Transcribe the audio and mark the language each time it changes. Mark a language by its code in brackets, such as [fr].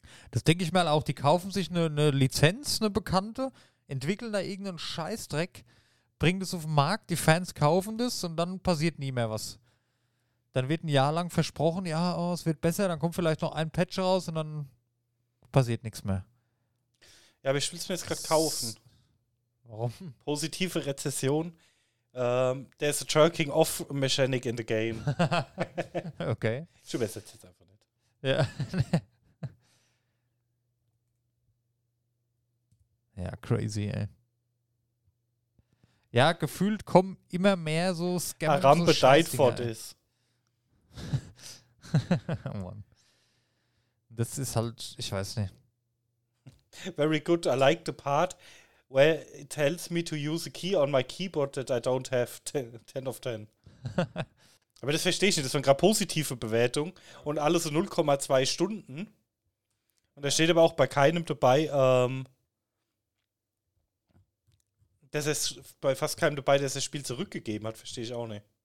[de] Das denke ich mal auch, die kaufen sich eine Lizenz, eine bekannte, entwickeln da irgendeinen Scheißdreck, bringen das auf den Markt, die Fans kaufen das und dann passiert nie mehr was. Dann wird ein Jahr lang versprochen, ja, oh, es wird besser, dann kommt vielleicht noch ein Patch raus und dann passiert nichts mehr. Ja, aber ich will es mir jetzt gerade kaufen. Warum? Positive Rezession. [en] There's a jerking off mechanic in the game. Okay. [de] Ich übersetze jetzt einfach nicht. Ja. Ja, crazy, ey. Ja, gefühlt kommen immer mehr so Scammer. [en] Rampe died for this. [de] Das ist halt, ich weiß nicht. [en] Very good, I like the part where it tells me to use a key on my keyboard that I don't have 10 of 10. [de] Aber das verstehe ich nicht, das waren gerade positive Bewertungen und alles so 0,2 Stunden. Und da steht aber auch bei keinem dabei, dass er bei fast keinem dabei, dass er das Spiel zurückgegeben hat, verstehe ich auch nicht.